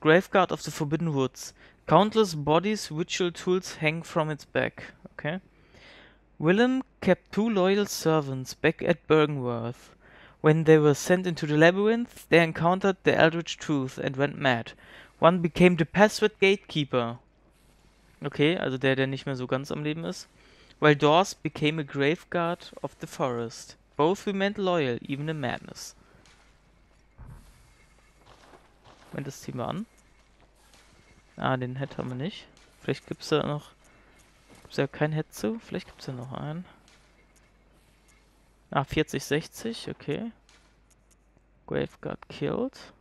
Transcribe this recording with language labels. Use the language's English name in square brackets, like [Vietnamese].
[English] Graveguard of the Forbidden Woods. Countless bodies, ritual tools hang from its back. Okay. Willem kept two loyal servants back at Bergenworth. When they were sent into the labyrinth, they encountered the Eldritch Truth and went mad. One became the Password Gatekeeper. [German] Okay, also der nicht mehr so ganz am Leben ist. [English] While Dawes became a Graveguard of the Forest. Both remained loyal, even in madness. [German] Moment, das ziehen wir an. Ah, den Head haben wir nicht. Vielleicht gibt's da noch. Gibt's ja kein Head zu. Vielleicht gibt's da noch einen. [English] Ah, 40, 60, okay. Graveguard killed.